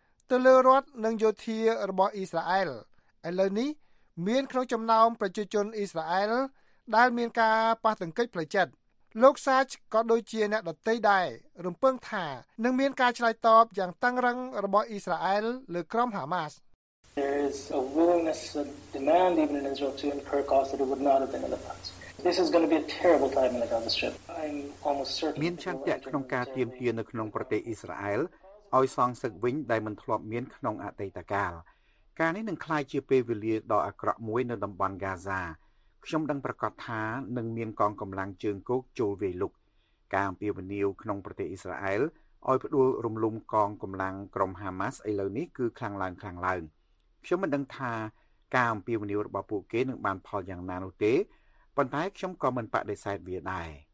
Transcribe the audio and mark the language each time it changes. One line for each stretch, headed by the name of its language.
Khmer: ទៅលើរដ្ឋនិងយោធារបស់អ៊ីស្រាអែលឥឡូវនេះមានក្នុងចំណោមប្រជាជនអ៊ីស្រាអែលដែលមានការប៉ះទង្គិចផ្លូវចិត្តលោកសាជក៏ដូចជាអ្នកដទៃដែររំពឹងថានឹងមានការឆ្លើយតបយ៉ាងតឹងរ៉ឹងរបស់អ៊ីស្រាអែលលើក្រុមហាម៉ាស
English: There is a willingness to demand even in Israel to incur costs that it would not have been in the past. This is going to be a terrible time in the Gaza Strip. I'm almost certain
Khmer: មានឆន្ទៈក្នុងការទៀមទានៅក្នុងប្រទេសអ៊ីស្រាអែលឲ្យសងសឹកវិញដែលមិនធ្លាប់មានក្នុងអតីតកាលការនេះនឹងក្លាយជាពេលវេលាដ៏អាក្រក់មួយនៅតំបន់ Gaza ខ្ញុំដឹងប្រកាសថានឹងមានកងកម្លាំងជើងគោកចូលវាយលុកការអំពាវនាវក្នុងប្រទេសអ៊ីស្រាអែលឲ្យផ្ដួលរំលំកងកម្លាំងក្រុម Hamas ឥឡូវនេះគឺខ្លាំងឡើងខ្លាំងឡើងខ្ញុំមិនដឹងថាការអំពាវនាវរបស់ពួកគេនឹងបានផលយ៉ាងណានោះទេប៉ុន្តែខ្ញុំក៏មិនបដិសេធវាដែរ